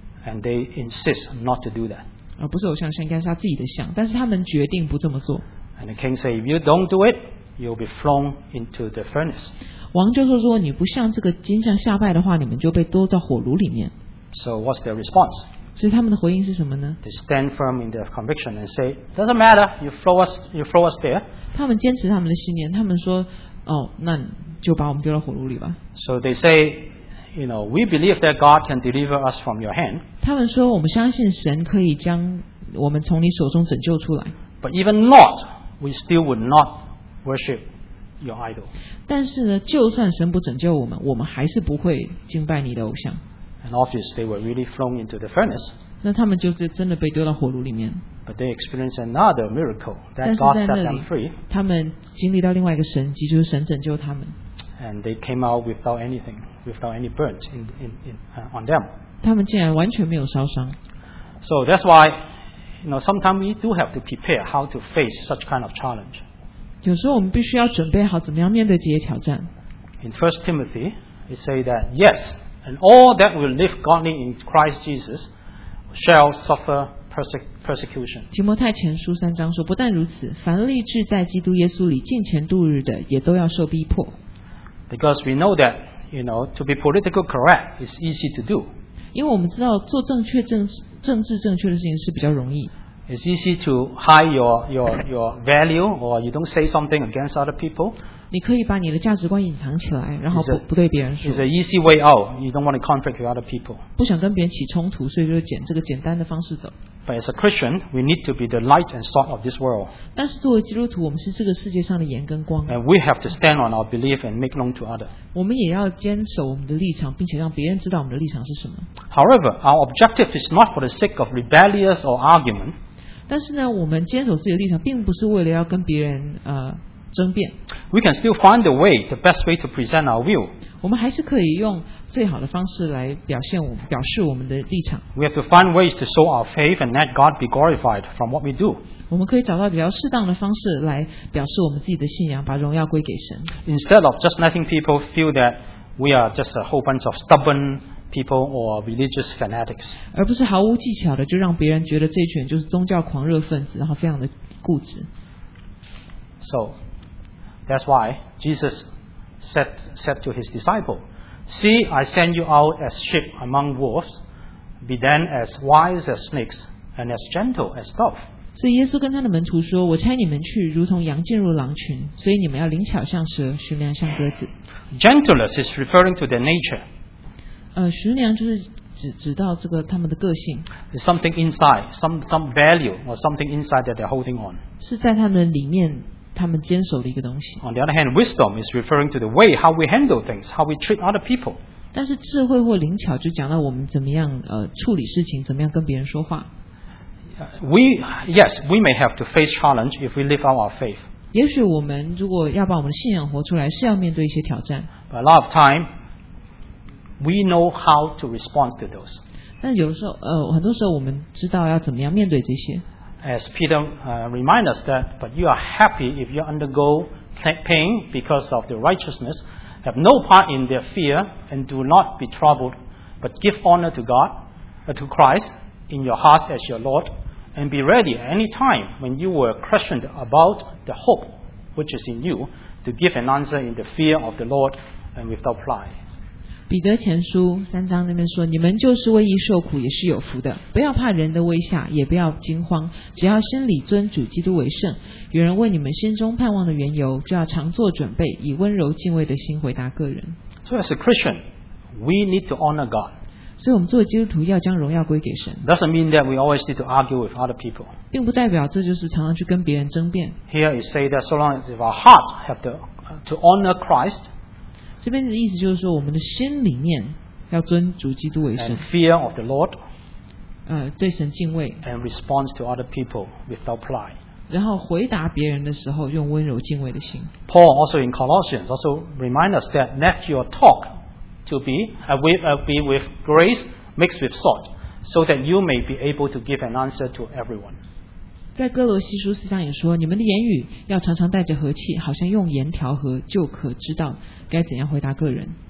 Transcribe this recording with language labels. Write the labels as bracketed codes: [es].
[en] And they insist not to do that. [zh] 不是偶像像，应该是他自己的像，但是他们决定不这么做。 [en] And the king said, "If you don't do it, you'll be thrown into the furnace." [zh] 王就说：“如果你不向这个金像下拜的话，你们就被丢到火炉里面。 [en] ”So what's their response? [zh] 所以他们的回应是什么呢 [en] ？They stand firm in their conviction and say, "Doesn't matter. You throw us there." [zh] 他们坚持他们的信念，他们说：“哦，那就把我们丢到火炉里吧。 [en] ”So they say. You know, we believe that God can deliver us from your hand. [zh] 他们说我们相信神可以将我们从你手中拯救出来。 [en] But even not, we still would not worship your idol. [zh] 但是呢，就算神不拯救我们，我们还是不会敬拜你的偶像。 [en] And obviously, they were really thrown into the furnace. [zh] 那他们就是真的被丢到火炉里面。 [en] But they experienced another miracle that God set them free. [zh] 他们经历到另外一个神迹，就是神拯救他们。 [en] And they came out without anything, without any burns in on them. [zh] 他们竟然完全没有烧伤。 [en] So that's why, you know, sometimes we do have to prepare how to face such kind of challenge. [zh] 有时候我们必须要准备好怎么样面对这些挑战。 [en] In 1 Timothy, it says that yes, and all that will live godly in Christ Jesus shall suffer persecution. [zh] 提摩太前书三章说，不但如此，凡立志在基督耶稣里敬虔度日的，也都要受逼迫。 [en] Because we know that, you know, to be politically correct is easy to do. [zh] 因为我们知道做正确政治正确的事情是比较容易。 [en] It's easy to hide your value, or you don't say something against other people. [zh] 你可以把你的价值观隐藏起来，然后不对别人说。 [en] It's an easy way out. You don't want to conflict with other people. [zh] 不想跟别人起冲突，所以就捡这个简单的方式走。 [en] But as a Christian, we need to be the light and salt of this world. [zh] 但是作为基督徒，我们是这个世界上的盐跟光。 [en] And we have to stand on our belief and make known to others. [zh] 我们也要坚守我们的立场，并且让别人知道我们的立场是什么。 [en] However, our objective is not for the sake of rebellious or argument. [zh] 但是呢，我们坚守自己的立场，并不是为了要跟别人争辩。 [en] We can still find the way, the best way to present our view. [zh] 我们还是可以用最好的方式来表示我们的立场。 [en] We have to find ways to show our faith and let God be glorified from what we do. [zh] 我们可以找到比较适当的方式来表示我们自己的信仰，把荣耀归给神。 [en] Instead of just letting people feel that we are just a whole bunch of stubborn people or religious fanatics. [zh] 而不是毫无技巧的就让别人觉得这群人就是宗教狂热分子，然后非常的固执。 [en] So. That's why Jesus said to his disciple, "See, I send you out as sheep among wolves. Be then as wise as snakes and as gentle as doves." [zh] 所以耶稣跟他的门徒说，我差你们去，如同羊进入狼群，所以你们要灵巧像蛇，驯良像鸽子。 [en] Gentleness is referring to their nature. [zh] 驯良就是指到这个他们的个性。 [en] It's something inside, some value or something inside that they're holding on. [zh] 是在他们里面。他们坚守的一个东西。 [en] On the other hand, wisdom is referring to the way how we handle things, how we treat other people. [zh] 但是智慧或灵巧就讲到我们怎么样处理事情，怎么样跟别人说话。 [en] We may have to face challenge if we live out our faith. [zh] 也许我们如果要把我们的信仰活出来，是要面对一些挑战。 [en] But a lot of time, we know how to respond to those. [zh] 但有时候很多时候我们知道要怎么样面对这些。 [en] As Peter reminds us that, but you are happy if you undergo pain because of the righteousness, have no part in their fear, and do not be troubled, but give honor to God, to Christ, in your hearts as your Lord, and be ready at any time when you were questioned about the hope which is in you, to give an answer in the fear of the Lord and without pride. [zh] 彼得前书三章那边说，你们就是为义受苦也是有福的，不要怕人的威吓，也不要惊慌，只要心里尊主基督为圣。有人问你们心中盼望的缘由，就要常做准备，以温柔敬畏的心回答个人。 [en] So as a Christian, we need to honor God. [zh] 所以我们作为基督徒要将荣耀归给神。 [en] Doesn't mean that we always need to argue with other people. [zh] 并不代表这就是常常去跟别人争辩。 [en] Here it says that so long as if our heart have to honor Christ, [zh] 这边的意思就是说，我们的心里面要尊主基督为圣。 [en] And fear of the Lord. [zh] 对神敬畏。 [en] And response to other people without pride. [zh] 然后回答别人的时候用温柔敬畏的心。 [en] Paul also in Colossians also remind us that let your talk to be with grace mixed with salt, so that you may be able to give an answer to everyone. [zh] 在哥罗西书四章也说，你们的言语要常常带着和气，好像用盐调和，就可知道该怎样回答个人。